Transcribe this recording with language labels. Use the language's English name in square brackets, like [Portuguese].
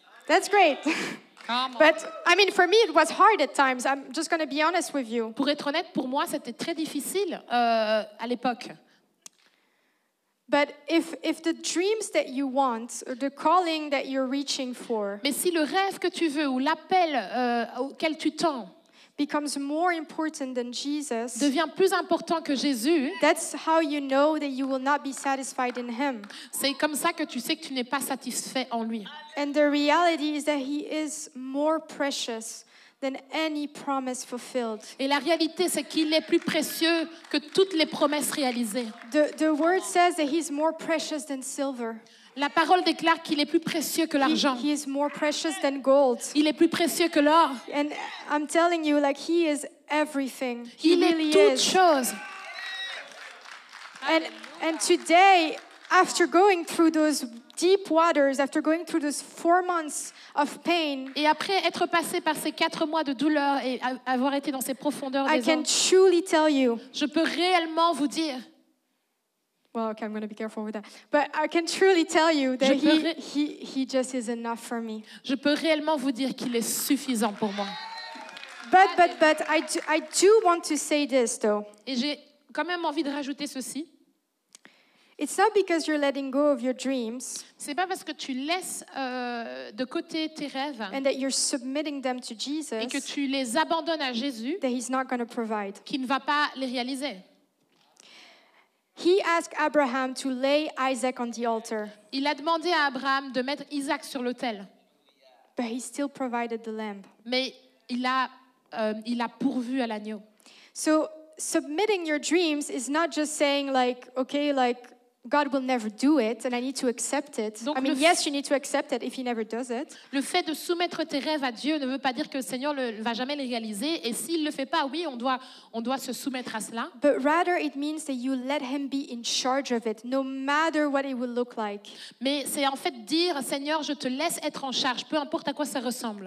[English] That's great. But I mean, for me, it was hard at times. I'm just going to be honest with you. [French] Pour être honnête, pour moi, c'était très difficile à l'époque. [English] But if the dreams that you want, or the calling that you're reaching for, [French] mais si le rêve que tu veux ou l'appel auquel tu tends [English] becomes more important than Jesus, [French] devient plus important que Jésus, [English] that's how you know that you will not be satisfied in him. [French] C'est comme ça que tu sais que tu n'es pas satisfait en lui. [English] And the reality is that he is more precious than any promise fulfilled. [French] Et la réalité, c'est qu'il est plus précieux que toutes les promesses réalisées. [English] The word says that he's more precious than silver. [French] La parole déclare qu'il est plus précieux que l'argent. [English] He is more precious than gold. [French] Il est plus précieux que l'or. [English] And I'm telling you, like, he is everything. [French] Il est toute chose. [English] And today, after going through those deep waters, after going through those 4 months of pain, [French] et après être passé par ces 4 mois de douleur et avoir été dans ces profondeurs, [English] I can truly tell you, [French] je peux réellement vous dire, [English] well, okay, I'm going to be careful with that, but I can truly tell you that he just is enough for me. [French] Je peux réellement vous dire qu'il est suffisant pour moi. [English] But I do want to say this though. [French] Et j'ai quand même envie de rajouter ceci. [English] It's not because you're letting go of your dreams. [French] C'est pas parce que tu laisses de côté tes rêves. [English] And that you're submitting them to Jesus. [French] Et que tu les abandonnes à Jésus. [English] That he's not going to provide. [French] Qu'il ne va pas les réaliser. [English] He asked Abraham to lay Isaac on the altar. [French] Il a demandé à Abraham de mettre Isaac sur l'autel. [English] But he still provided the lamb. [French] Mais il a pourvu à l'agneau. [English] So submitting your dreams is not just saying like, okay, like, God will never do it, and I need to accept it. [French] Donc [English] I mean, yes, you need to accept it if he never does it. [French] Le fait de soumettre tes rêves à Dieu ne veut pas dire que le Seigneur ne va jamais les réaliser. Et s'il ne le fait pas, oui, on doit se soumettre à cela. [English] But rather, it means that you let him be in charge of it, no matter what it will look like. [French] Mais c'est en fait dire, Seigneur, je te laisse être en charge, peu importe à quoi ça ressemble.